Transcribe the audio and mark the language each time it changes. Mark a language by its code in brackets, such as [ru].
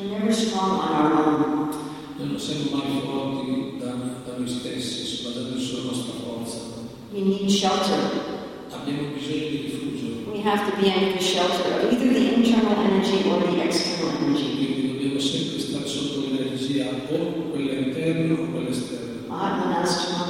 [en] We're never strong on our own. [it] Noi non siamo mai forti da noi stessi, ma da noi sulla nostra forza. [en] We need shelter. [it] Abbiamo bisogno di rifugio. [en] We have to be under the shelter of either the internal energy or the external energy. [it] Quindi dobbiamo sempre stare sotto l'energia, o quella interna o quella esterna.